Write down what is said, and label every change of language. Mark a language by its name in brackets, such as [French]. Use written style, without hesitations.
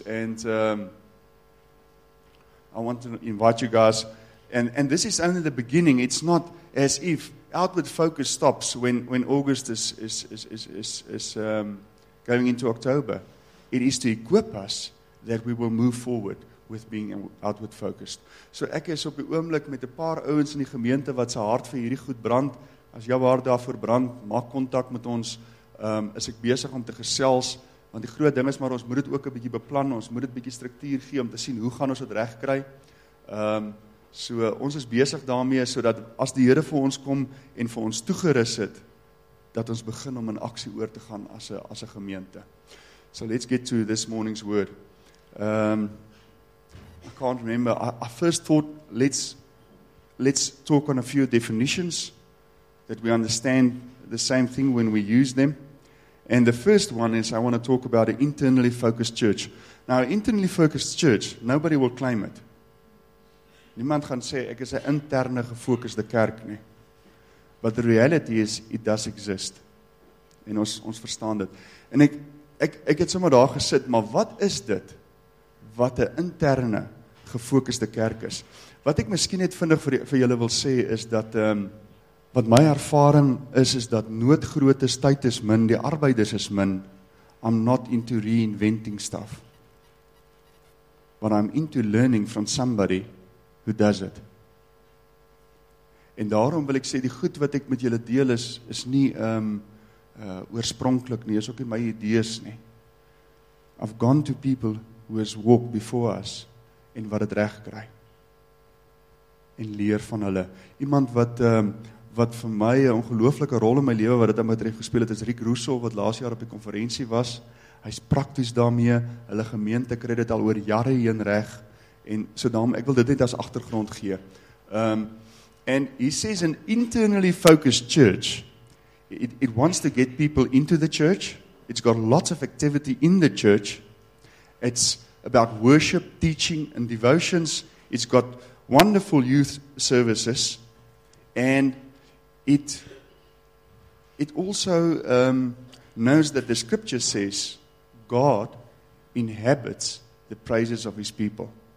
[English] And I want to invite you guys. And this is only the beginning. It's not as if outward focus stops when August is going into October. It is to equip us that we will move forward with being outward focused. [Afrikaans] So ek is op die oomblik met 'n paar ouens in die gemeente wat se hart vir hierdie goed brand. As jou hart daarvoor brand, maak kontak met ons. Is ek besig om te gesels, want die groot ding is maar ons moet dit ook 'n bietjie beplan, ons moet dit bietjie struktuur gee om te sien hoe gaan ons dit regkry. So ons is besig daarmee sodat as die Here vir ons kom en vir ons toegerus het, dat ons begin om in aksie oor te gaan as 'n gemeente. [English] So let's get to this morning's word. I can't remember. I first thought let's talk on a few definitions that we understand the same thing when we use them. And the first one is I want to talk about an internally focused church. Now, internally focused church, nobody will claim it. [Afrikaans] Niemand gaan sê ek is 'n interne gefokusde kerk nie. [English] But the reality is it does exist. [Afrikaans] En ons verstaan dit. En ek het sommer daar gesit, maar wat is dit wat 'n interne gefokusde kerk is? Wat ek miskien net vinnig vir julle wil sê is dat wat my ervaring is dat nood groot is, tyd is min, die arbeiders is min. [English] I'm not into reinventing stuff. But I'm into learning from somebody who does it. [Afrikaans] En daarom wil ek sê die goed wat ek met julle deel is nie oorspronklik nie, is ook nie my idees nie. [English] I've gone to people who has walked before us [Afrikaans] en wat het reg kry. En leer van hulle. Iemand wat vir my 'n ongelooflike rol in my lewe wat dit aan my tref gespeel het, is Rick Russo, wat laas jaar op die konferensie was. Hy's prakties daarmee. Hulle gemeente kry dit al oor jare heen reg. En so daarom, ek wil dit net as agtergrond gee. [English] And he says an internally focused church, it wants to get people into the church. It's got lots of activity in the church. It's about worship, teaching and devotions. It's got wonderful youth services. And it also knows that the scripture says God inhabits the praises of his people.